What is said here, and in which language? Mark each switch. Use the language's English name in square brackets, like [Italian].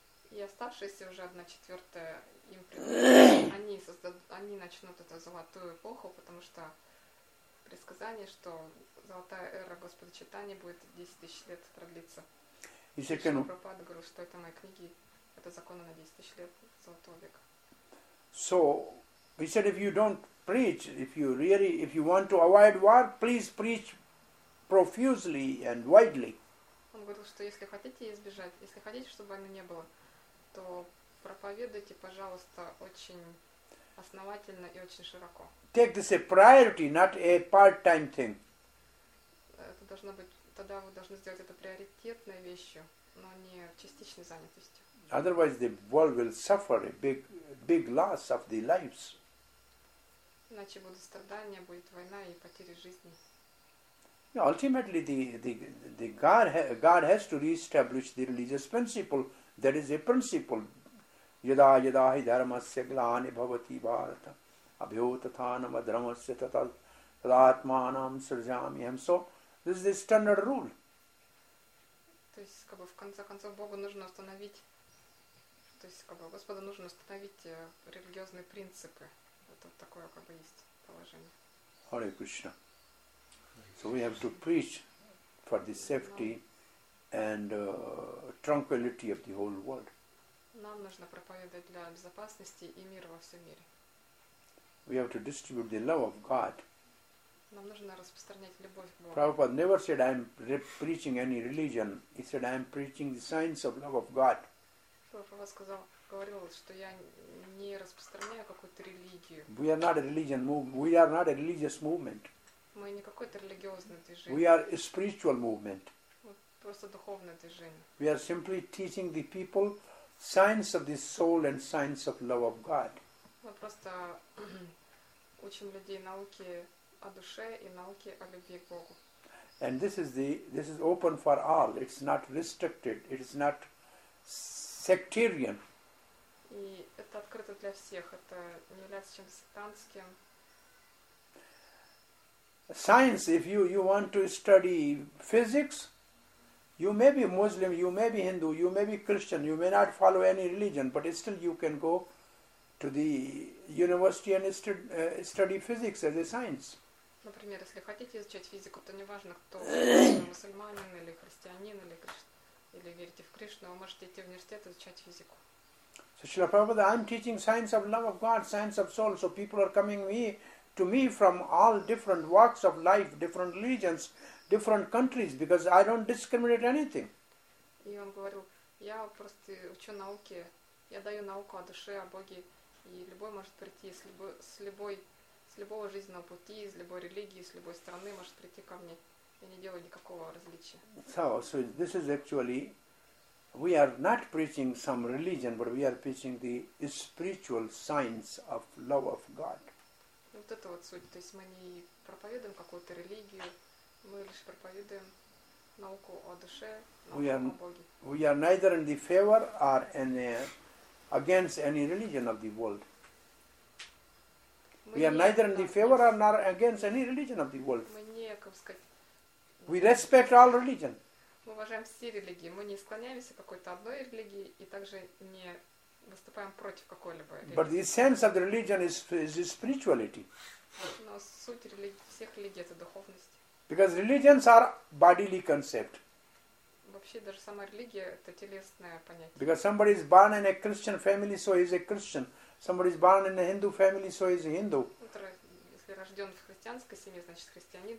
[Russian] И оставшиеся уже 1/4 им придут, они начнут эту золотую эпоху, потому что предсказание, что золотая эра Господа Чайтаньи будет 10 тысяч лет продлиться. И Шрила Прабхупада говорил, что это мои книги, это законы на 10 тысяч лет золотого века. [English] So he said, if you don't preach, if you want to avoid war, please preach profusely and widely. [Russian] Он говорил, что если хотите избежать, если хотите, чтобы войны не было, то проповедуйте, пожалуйста, очень основательно и очень широко. [English] Take this a priority, not a part-time thing. [Russian] Это должно быть, тогда вы должны сделать это приоритетной вещью, но не частичной занятостью. [English] Otherwise, the world will suffer a big loss of the lives. [Russian] Иначе будут страдания, будет война и потери жизни. [English] Ultimately, God has to reestablish the religious principle. That is a principle. [Sanskrit] Yada yada hi dharmasya glani bhavati bharata abhyotathanam adharmasya tadatmanam sarjami ham. [English] So, this is the standard rule. [Russian] То есть, как бы, в конце концов, Богу нужно установить, то есть, как бы, Господу нужно установить религиозные принципы. Это такое, как бы, есть положение. [Sanskrit] Hare Krishna. [English] So we have to preach for the safety and tranquility of the whole world. [Russian] Нам нужно проповедовать для безопасности и мира во всем мире. [English] We have to distribute the love of God. [Russian] Нам нужно распространять любовь к Богу. [English] Prabhupada never said I am preaching any religion. He said I am preaching the science of love of God. [Russian] Prabhupada сказал, говорил, что я не распространяю какую-то религию. [English] We are not a religion movement. We are not a religious movement. [Russian] Мы не какое-то религиозное движение. [English] We are a spiritual movement. [Russian] Мы просто духовное движение. [English] We are simply teaching the people signs of the soul and signs of love of God. [Russian] Мы просто учим людей науке о душе и науке о любви к Богу. [English] And this is open for all. It's not restricted. It is not sectarian. [Russian] И это открыто для всех. Это не является чем-то сектантским. [English] Science, if you want to study physics, you may be Muslim, you may be Hindu, you may be Christian, you may not follow any religion, but still you can go to the university and study physics as a science. [Russian] Например, если хотите изучать физику, то неважно, кто вы, мусульманин или христианин, или верите в Кришну, вы можете идти в университет и изучать физику. [English] So Srila Prabhupada, I'm teaching science of love of God, science of soul, so people are coming to me from all different walks of life, different religions, different countries, because I don't discriminate anything. [Russian] И он говорил, я просто учу науке, я даю науку о душе, о Боге, и любой может прийти с любого жизненного пути, из любой религии, с любой страны может прийти ко мне. Я не делаю никакого различия. [English] So this is actually, we are not preaching some religion, but we are preaching the spiritual science of love of God. [Russian] Вот это вот суть. То есть мы не проповедуем какую-то религию, мы лишь проповедуем науку о душе, науку о Боге. [English] We are neither in the favor or against any religion of the world. We are neither in the favor or nor against any religion of the world. [Russian] Мы не, как сказать... [English] We respect all religion. [Russian] Мы уважаем все религии. Мы не склоняемся к какой-то одной религии и также не... выступаем против какой-либо религии. [English] But the essence of the religion is spirituality. [Russian] Но суть всех религий – это духовность. [English] Because religions are bodily concept. [Russian] Вообще, даже сама религия – это телесное понятие. [English] Because somebody is born in a Christian family, so he is a Christian. Somebody is born in a Hindu family, so he is a Hindu. [Russian] Если рожден в христианской семье, значит христианин.